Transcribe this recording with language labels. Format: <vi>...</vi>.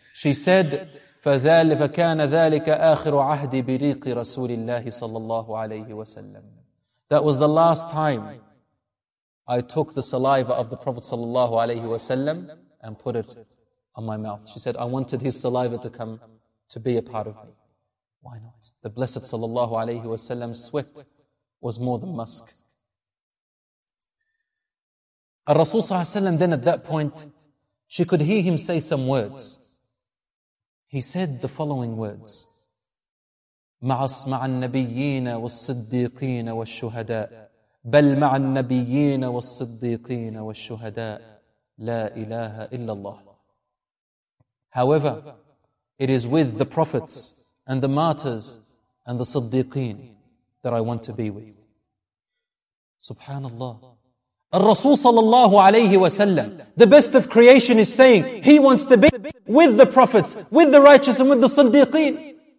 <en>She said,</en> <ar>فَذَلِفَ كَانَ ذَلِكَ آخِرُ عَهْدِ بِرِيقِ رَسُولِ اللَّهِ صَلَّى اللَّهُ عَلَيْهِ وَسَلَّمْ.</ar> <en>That was the last time I took the saliva of the Prophet sallallahu alayhi wa sallam and put it on my mouth. She said, I wanted his saliva to come to be a part of me. Why not? The Blessed sallallahu alayhi wa sallam's sweat was more than musk. Rasul sallallahu alayhi wa sallam then at that point, she could hear him say some words. He said the following words,</en> <ar>مَعَ النَّبِيِّينَ وَالصِّدِّيقِينَ وَالشُّهَدَاءِ بَلْ مَعَ النَّبِيِّينَ وَالصِّدِّيقِينَ وَالشُّهَدَاءِ لَا إِلَهَ إِلَّا اللَّهِ.</ar> <en>However, it is with the prophets and the martyrs and the Siddiqeen that I want to be with. Subhanallah. Rasul sallallahu alayhi wa sallam, the best of creation, is saying he wants to be with the prophets, with the righteous and with the Siddiqeen.</en>